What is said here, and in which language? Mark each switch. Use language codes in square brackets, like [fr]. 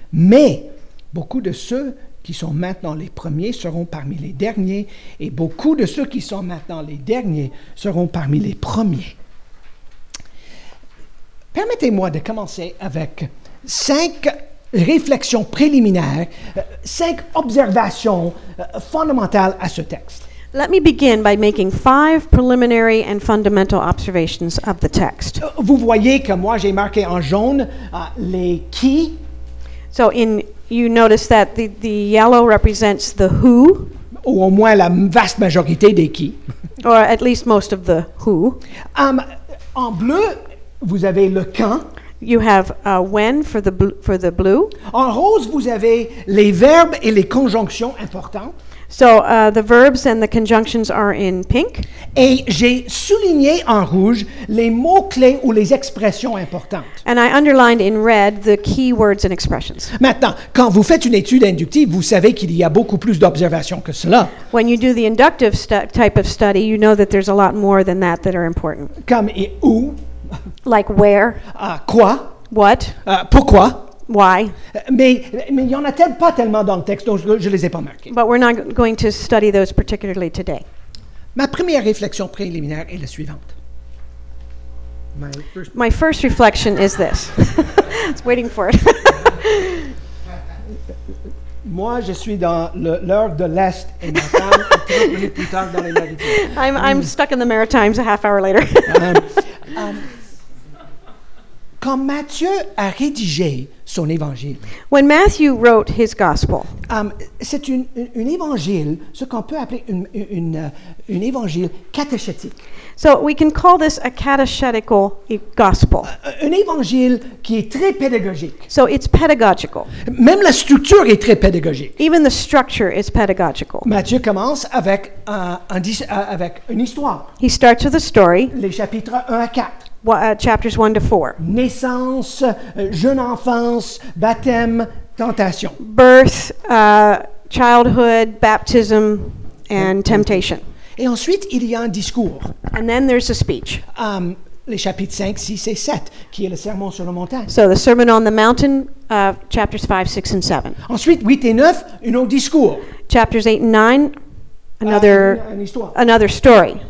[fr] Mais beaucoup de ceux qui sont maintenant les premiers seront parmi les derniers et beaucoup de ceux qui sont maintenant les derniers seront parmi les premiers. » Permettez-moi de commencer avec 5 réflexions préliminaires, 5 observations fondamentales à ce texte. [en] Let me begin by making 5 preliminary and fundamental observations of the text. [fr] Vous voyez que moi j'ai marqué en jaune les qui. [en] So in you notice that the yellow represents the who. [fr] Ou au moins la vaste majorité des qui. [en] Or at least most of the who. [fr] En bleu. Vous avez le quand. [en] You have when for the blue. [fr] En rose, vous avez les verbes et les conjonctions importantes. [en] So the verbs and the conjunctions are in pink. [fr] Et j'ai souligné en rouge les mots clés ou les expressions importantes. [en] And I underlined in red the key words and expressions. [fr] Maintenant, quand vous faites une étude inductive, vous savez qu'il y a beaucoup plus d'observations que cela. [en] When you do the inductive type of study, you know that there's a lot more than that that are important. [fr] Comme et où. [en] Like where? [fr] Quoi? [en] What? [fr] Pourquoi? [en] Why? [fr] Mais il y en a tellement pas tellement dans le texte, donc je les ai pas marqués. [en] But we're not going to study those particularly today. [fr] Ma première réflexion préliminaire est la suivante. [en] My first reflection is this. I was waiting for it. [fr] Moi, je suis dans l'heure de l'Est et ma femme est 30 minutes plus tard dans les Maritimes. [en] I'm stuck in the Maritimes a half hour later. [fr] Quand Matthieu a rédigé son évangile. [en] When Matthew wrote his gospel. [fr] C'est une évangile, ce qu'on peut appeler une évangile catéchétique. [en] So we can call this a catechetical gospel. [fr] Un évangile qui est très pédagogique. [en] So it's pedagogical. [fr] Même la structure est très pédagogique. [en] Even the structure is pedagogical. [fr] Matthieu commence avec avec une histoire. [en] He starts with a story. [fr] Les chapitres 1 à 4. [en] Chapters 1 to 4. [fr] Naissance, jeune enfance, baptême, tentation. [en] Birth, childhood, baptism, and temptation. [fr] Et ensuite, il y a un discours. [en] And then there's a speech. [fr] Les chapitres 5, 6 et 7, qui est le sermon sur la montagne. [en] So the sermon on the mountain, chapters 5, 6 and 7. [fr] Ensuite, 8 et 9, un autre discours. [en] Chapters 8 and 9, another story.